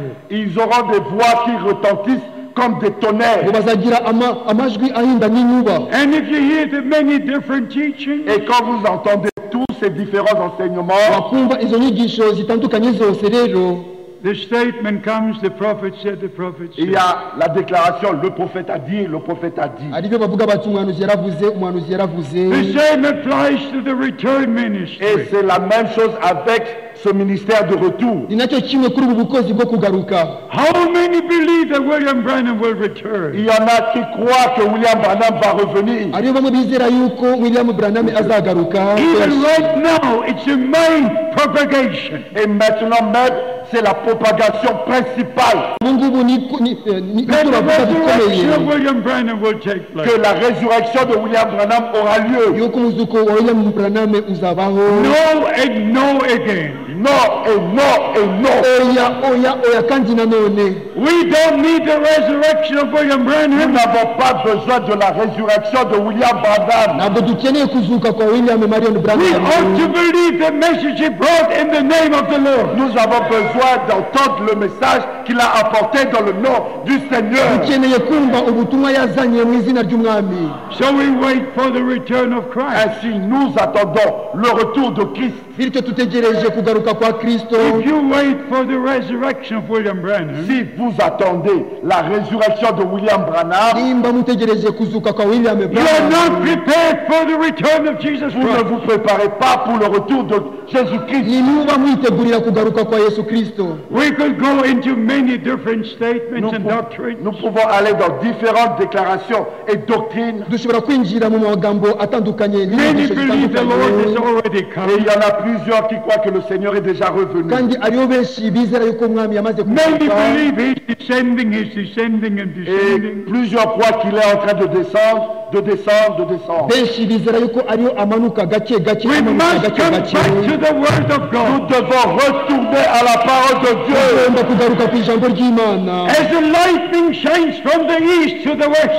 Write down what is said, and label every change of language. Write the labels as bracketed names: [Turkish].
[French] Ils auront des voix qui retentissent comme des tonnerres. [English] And if you hear the many different teachings, [French] et quand vous entendez tous ces différents enseignements, [English] the statement comes, the prophet said, the prophet said. [French] Il y a la déclaration, le prophète a dit, le prophète a dit. [English] The same applies to the return ministry. [French] Et c'est la même chose avec ce ministère de retour. [English] How many believe that William Branham will return? [French] Il y en a qui croient que William Branham va revenir. [English] Even right now, it's the main propagation. [French] Et maintenant même, c'est la propagation principale. Que la résurrection de William Branham aura lieu. [English] No. We don't need the resurrection of William Branham. [French] Nous n'avons pas besoin de la résurrection de William Branham. [English] We ought to believe the message he brought in the name of the Lord. [French] Nous avons besoin d'entendre le message qu'il a apporté dans le nom du Seigneur. [English] So we wait for the return of Christ. [French] Ainsi, nous attendons le retour de Christ. [English] If you wait for the resurrection of William Branham, [French] si vous attendez la résurrection de William Branham, [English] you are not prepared for the return of Jesus Christ. [French] Vous ne vous préparez pas pour le retour de Jésus-Christ. [English] We could go into many different statements and doctrines. [French] Nous pouvons aller dans différentes déclarations et doctrines. [English] Many believe the Lord has already come. [French] Il y en a plusieurs qui croient que le Seigneur est déjà revenu. [English] Many believe he's descending, and descending. [French] Et plusieurs croient qu'il est en train de descendre. De descendre. [English] We must come back to the word of God. [French] Nous devons retourner à la parole de Dieu. [English] As the lightning shines from the east to the west.